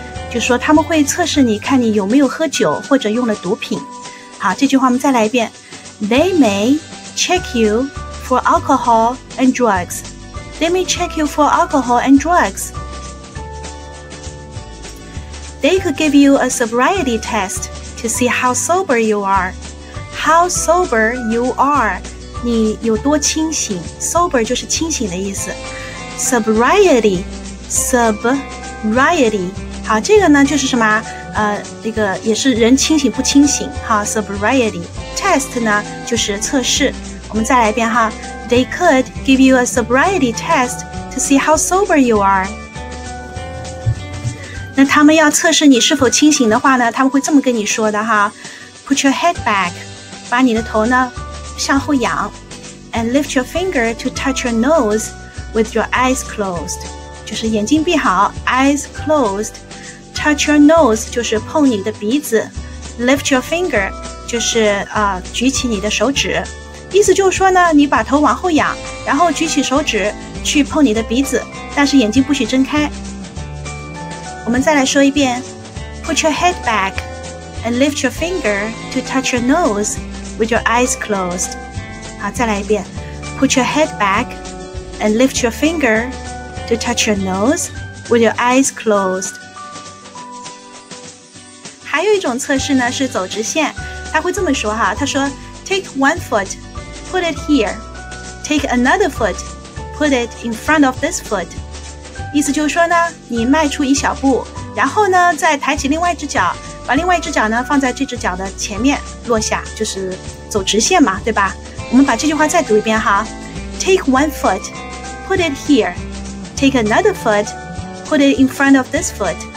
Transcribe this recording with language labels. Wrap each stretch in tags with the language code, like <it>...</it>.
<zh>就说他们会测试你，看你有没有喝酒或者用了毒品。好，这句话我们再来一遍。</zh> <en>They may check you for alcohol and drugs. They may check you for alcohol and drugs. They could give you a sobriety test to see how sober you are. How sober you are.</en> <zh>你有多清醒。 Sober 就是清醒的意思。Sobriety.</zh> <en>Sobriety.</en> <zh>好，这个呢就是什么那个也是人清醒不清醒哈。 Sobriety test 呢就是测试。我们再来一遍哈。</zh> <en>They could give you a sobriety test to see how sober you are.</en> <zh>那他们要测试你是否清醒的话呢，他们会这么跟你说的哈。</zh> <en>Put your head back,</en> <zh>把你的头呢向后仰。</zh> <en>And lift your finger to touch your nose with your eyes closed.</en> <zh>就是眼睛闭好，</zh> <en>eyes closedTouch your nose</en> <zh>就是碰你的鼻子，</zh> <en>Lift your finger</en> <zh>就是举起你的手指，意思就是说呢，你把头往后仰，然后举起手指去碰你的鼻子，但是眼睛不许睁开。我们再来说一遍。</zh> <en>Put your head back and lift your finger to touch your nose with your eyes closed.</en> <zh>好，再来一遍。</zh> <en>Put your head back and lift your finger to touch your nose with your eyes closed.</en> <zh>还有一种测试呢，是走直线，他会这么说哈，他说</zh> <en>Take one foot, put it here. Take another foot, put it in front of this foot.</en> <zh>意思就是说呢，你迈出一小步，然后呢再抬起另外一只脚，把另外一只脚呢放在这只脚的前面落下，就是走直线嘛，对吧。我们把这句话再读一遍哈。</zh> <en>Take one foot, put it here. Take another foot, put it in front of this foot.</en>